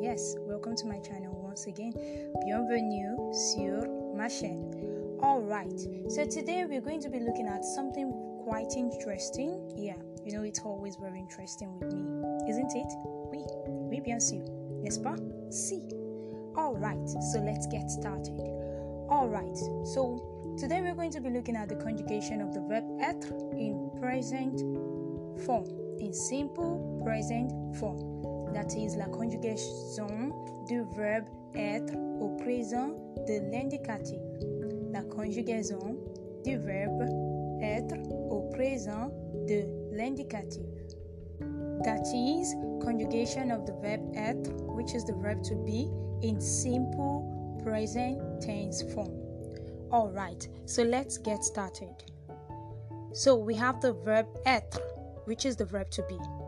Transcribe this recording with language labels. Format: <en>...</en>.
<en>Yes, welcome to my channel once again.</en> <fr>Bienvenue sur ma chaîne.</fr> <en>All right, so today we're going to be looking at something quite interesting. Yeah, you know, it's always very interesting with me, isn't it?</en> <fr>Oui, bien sûr, n'est-ce pas? Si.</fr> <en>All right, so let's get started. All right, so today we're going to be looking at the conjugation of the verb</en> <fr>être</fr> <en>in present form, in simple present form. That is</en> <fr>la conjugaison du verbe être au présent de l'indicatif. La conjugaison du verbe être au présent de l'indicatif.</fr> <en>That is conjugation of the verb</en> <fr>être,</fr> <en>which is the verb to be, in simple present tense form. All right, so let's get started. So we have the verb</en> <fr>être,</fr> <en>which is the verb to be.</en>